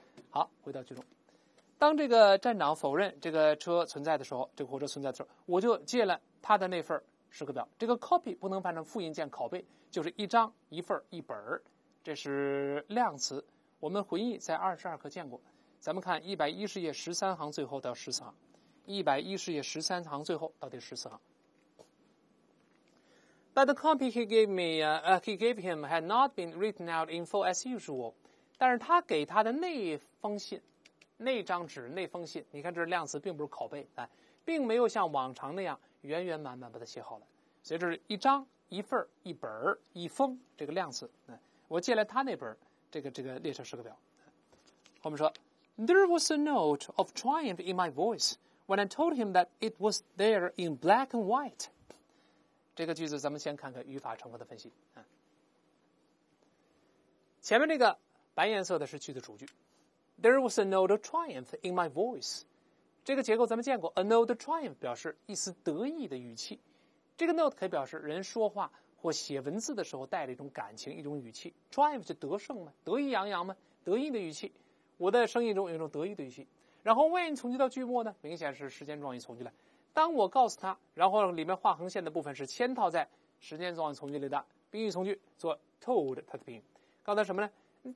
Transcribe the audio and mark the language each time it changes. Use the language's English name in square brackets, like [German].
[Chinese] 好，回到句中，当这个站长否认这个车存在的时候，这个火车存在的时候，我就借了他的那份时刻表，这个 copy 不能翻成复印件拷贝，就是一张一份一本，这是量词，我们回忆在22课见过。咱们看110页13行最后到14行，110页13行最后到第14行。 [English] But the copy he gave me, he gave him had not been written out in full as usual. [Chinese] 但是他给他的那封信，那张纸，那封信，你看这是量词，并不是拷贝，哎，并没有像往常那样圆圆满满把它写好了。所以这是一张、一份、一本、一封，这个量词。我借来他那本这个列车时刻表。后面说 [English] ，There was a note of triumph in my voice when I told him that it was there in black and white. [Chinese] 这个句子咱们先看看语法成分的分析。前面这个白颜色的是句子主句。 [English] There was a note of triumph in my voice. [Chinese] 这个结构咱们见过， [English] a note of triumph [Chinese] 表示一丝得意的语气。这个 note 可以表示人说话或写文字的时候带着一种感情，一种语气。 Triumph 就得胜嘛，得意洋洋嘛，得意的语气。我的声音中有一种得意的语气。然后 when 从句到句末呢，明显是时间状语从句了。当我告诉他，然后里面画横线的部分是嵌套在时间状语从句里的，宾语从句做 told 他的宾语。刚才什么呢？